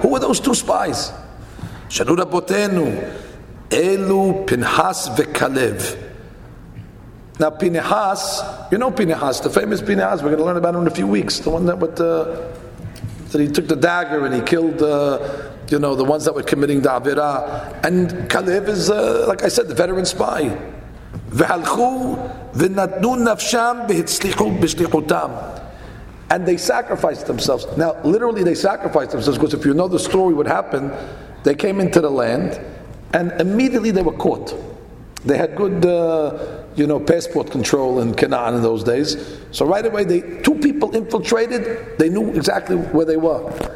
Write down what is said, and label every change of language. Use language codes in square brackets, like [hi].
[en] Who are those two spies? [he] Shanu rabotenu, Elu Pinhas veKalev. [en] Now Pinhas, you know Pinhas, the famous Pinhas, we're going to learn about him in a few weeks. The one that he took the dagger and he killed the ones that were committing the Avira. And Kalev is, like I said, the veteran spy. [he] והלכו ונתנו נפשם והצליחו בשליחותם. [en] And they sacrificed themselves. Now, literally they sacrificed themselves, because if you know the story, what happened, they came into the land, and immediately they were caught. They had good, passport control in Canaan in those days. So right away, two people infiltrated, they knew exactly where they were.